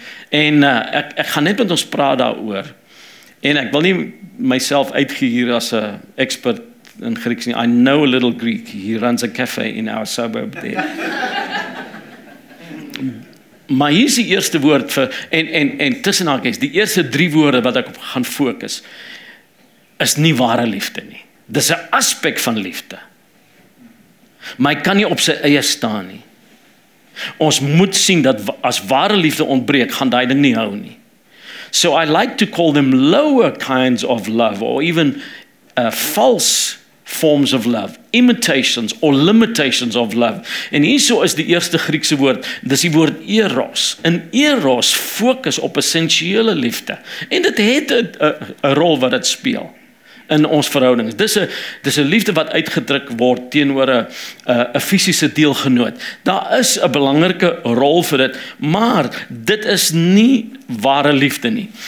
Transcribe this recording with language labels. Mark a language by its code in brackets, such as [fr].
[af] En ek gaan net met ons praat daaroor. En ek wil nie myself uitgee hier as 'n expert in Grieks nie. [en] I know a little Greek. He runs a cafe in our suburb there. [af] Maar hier is die eerste woord vir, en tussenhaakies, die eerste 3 woorde wat ek op gaan fokus, is nie ware liefde nie. Dit is 'n aspek van liefde. Maar hy kan nie op sy eie staan nie. Ons moet sien dat as ware liefde ontbreek, gaan die ding nie hou nie. [en] So I like to call them lower kinds of love, or even false forms of love, imitations or limitations of love. [af] En hierso is die eerste Griekse woord, dis die woord eros. En eros fokus op essensiële liefde. En dit het 'n rol wat dit speel in ons verhoudings. Dis 'n liefde wat uitgedruk word teenoor 'n fisiese deelgenoot. Daar is 'n belangrike rol vir dit, maar dit is nie ware liefde nie.